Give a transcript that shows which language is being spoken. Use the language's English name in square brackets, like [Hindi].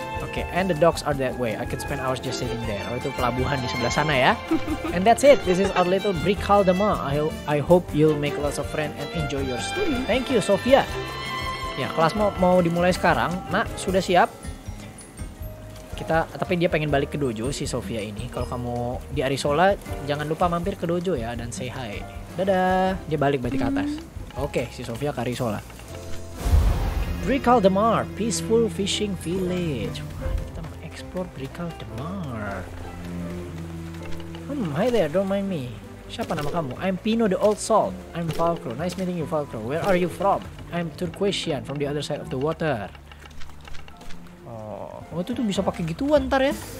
[English] Okay, and the docks are that way. I could spend hours just sitting there. [Indonesian] Oh, itu pelabuhan di sebelah sana ya. [English] And that's it. This is our little Brickell de Mar. I hope you'll make lots of friends and enjoy your stay. Thank you, Sofia. [Indonesian] Ya, kelas mau dimulai sekarang. Nak, sudah siap? Kita, tapi dia pengen balik ke dojo si Sofia ini. Kalau kamu di Arisola, jangan lupa mampir ke dojo ya dan [English] say hi. [Indonesian] Dadah. Dia balik berarti ke atas. Oke, okay, si Sofia ke Arisola. Brickell de Mar, [English] peaceful fishing village. [Indonesian] Wah, kita mau explore Brickell de Mar. [English] Hi there, don't mind me. [Indonesian] Siapa nama kamu? [English] I'm Pino the Old Salt. I'm Falcro. Nice meeting you, Falcro. Where are you from? I'm Turquoisean from the other side of the water. [Indonesian] Oh, itu tuh bisa pakai gituan ntar ya.